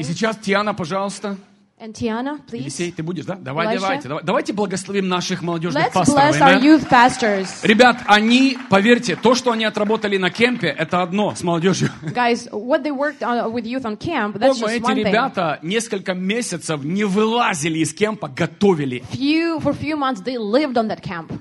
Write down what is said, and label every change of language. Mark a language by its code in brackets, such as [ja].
[ru] И сейчас, Тиана, пожалуйста. [en] And Tiana, please. [ru] Елисей, ты будешь, да? Давай, Elisha. Давайте благословим наших молодежных [en] Let's [ru] пасторов. [en] Bless our youth pastors. [ru] Ребят, они, поверьте, то, что они отработали на кемпе, это одно с молодежью. [en] Guys, what they worked on, with youth on camp, that's just one thing. [ru] Эти ребята несколько месяцев не вылазили из кемпа, готовили. [en] For few months they lived on that camp.